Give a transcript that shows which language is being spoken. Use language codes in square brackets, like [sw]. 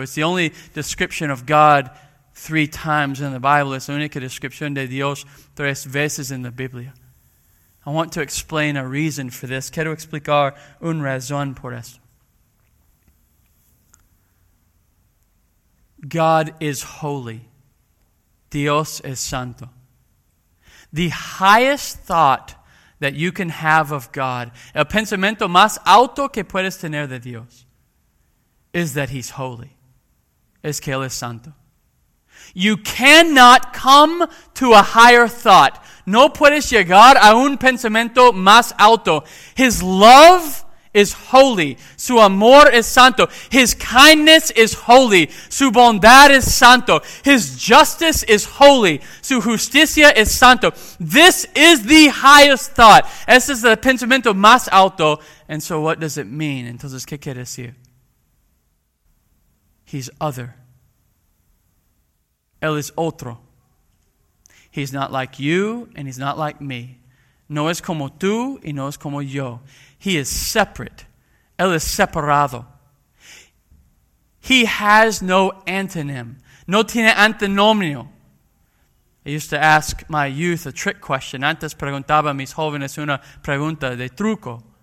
[en] It's the only description of God three times in the Bible. [es] Es la única descripción de Dios tres veces en la Biblia. [en] I want to explain a reason for this. [es] Quiero explicar un razón por esto. [en] God is holy. [es] Dios es santo. [en] The highest thought that you can have of God, [es] el pensamiento más alto que puedes tener de Dios, [en] is that He's holy. [es] Es que Él es santo. [en] You cannot come to a higher thought. [es] No puedes llegar a un pensamiento más alto. [en] His love is holy. [es] Su amor es santo. [en] His kindness is holy. [es] Su bondad is santo. [en] His justice is holy. [es] Su justicia es santo. [en] This is the highest thought. [es] Este es el pensamiento más alto. [en] And so what does it mean? [es] Entonces, ¿qué quiere decir? [en] He's other. [es] Él es otro. [en] He's not like you and he's not like me. [es] No es como tú y no es como yo. [en] He is separate. [es] Él es separado. [en] He has no antonym. [es] No tiene antinomio. [en] I used to ask my youth a trick question. [es] Antes preguntaba a mis jóvenes una pregunta de truco.